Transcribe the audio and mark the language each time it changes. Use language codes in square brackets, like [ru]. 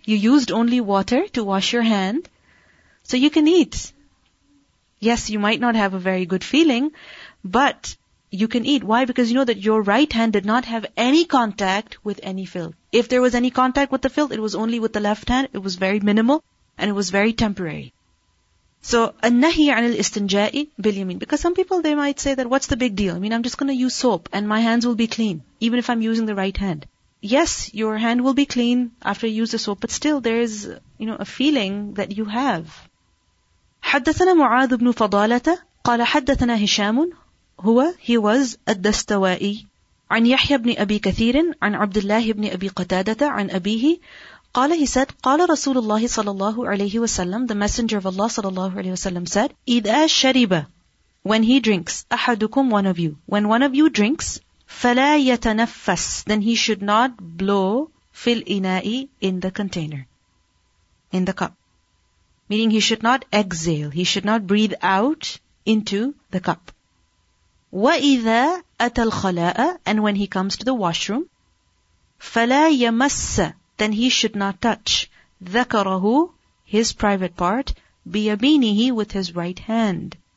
[en] You used only water to wash your hand, so you can eat. Yes, you might not have a very good feeling, but you can eat. Why? Because you know that your right hand did not have any contact with any filth. If there was any contact with the filth, it was only with the left hand. It was very minimal and it was very temporary. [ar] So, النهي عن الاستنجاء باليمين. [en] Because some people, they might say that, what's the big deal? I mean, I'm just going to use soap and my hands will be clean, even if I'm using the right hand. Yes, your hand will be clean after you use the soap, but still there is, you know, a feeling that you have. [ar] حدثنا معاذ بن فضالة قال حدثنا هشام هو [en] he was [ar] الدستوائي عن يحيى بن أبي كثير عن عبد الله بن أبي قتادة عن أبيه قال [en] he said [ar] قال رسول الله صلى الله عليه وسلم [en] the messenger of Allah [ar] صلى الله عليه وسلم [en] said [ar] إذا شرب [en] when he drinks [ar] أحدكم [en] one of you when one of you drinks [ar] فلا يتنفس [en] then he should not blow [ar] في الإناء [en] in the container in the cup. Meaning he should not exhale, he should not breathe out into the cup. [ar] وَإِذَا أَتَى الْخَلَاءَ [en] and when he comes to the washroom, [ar] فَلَا يَمَسَّ [en] then he should not touch [ar] ذَكَرَهُ [en] his private part [ar] بِيَمِينِهِ [en] with his right hand.